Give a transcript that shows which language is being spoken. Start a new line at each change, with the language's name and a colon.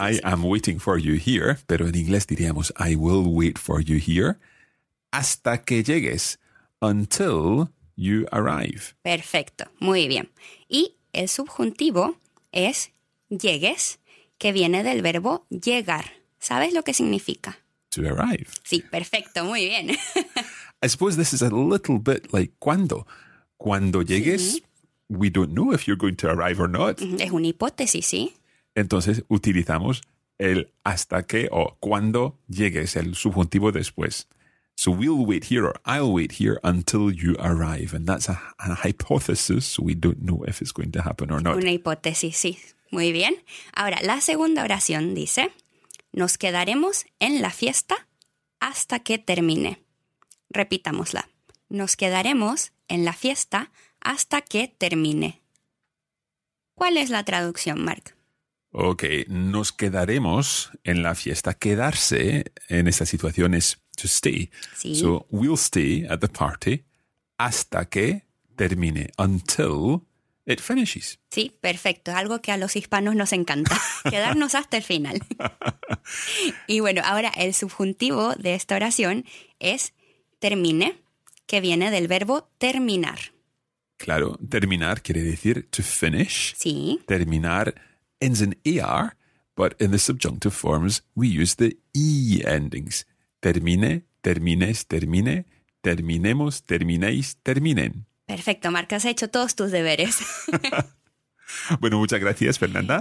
English: I am waiting for you here,
Spanish: pero en inglés diríamos,
English: I will wait for you here.
Spanish: Hasta que llegues,
English: until you arrive.
Spanish: Perfecto, muy bien. Y el subjuntivo es llegues, que viene del verbo llegar. ¿Sabes lo que significa?
English: To arrive.
Spanish: Sí, perfecto, muy bien.
English: I suppose this is a little bit like cuando.
Spanish: Cuando llegues,
English: We don't know if you're going to arrive or not.
Spanish: Es una hipótesis, sí. Entonces utilizamos el hasta que o cuando llegues, el subjuntivo después.
English: So we'll wait here or I'll wait here until you arrive. And that's a hypothesis, so we don't know if it's going to happen or not.
Spanish: Una hipótesis, sí. Muy bien. Ahora, la segunda oración dice, nos quedaremos en la fiesta hasta que termine. Repitámosla. Nos quedaremos en la fiesta hasta que termine. ¿Cuál es la traducción, Mark? Ok, nos quedaremos en la fiesta. Quedarse en esta situación es
English: to stay.
Spanish: Sí.
English: So we'll stay at the party
Spanish: hasta que termine,
English: until it finishes.
Spanish: Sí, perfecto. Algo que a los hispanos nos encanta, quedarnos hasta el final. Y bueno, ahora el subjuntivo de esta oración es termine, que viene del verbo terminar. Claro, terminar quiere decir
English: to finish.
Spanish: Sí.
English: Terminar ends in er, but in the subjunctive forms we use the e endings.
Spanish: Termine, termines, termine, terminemos, terminéis, terminen. Perfecto, Marc, has hecho todos tus deberes. Bueno, muchas gracias, Fernanda.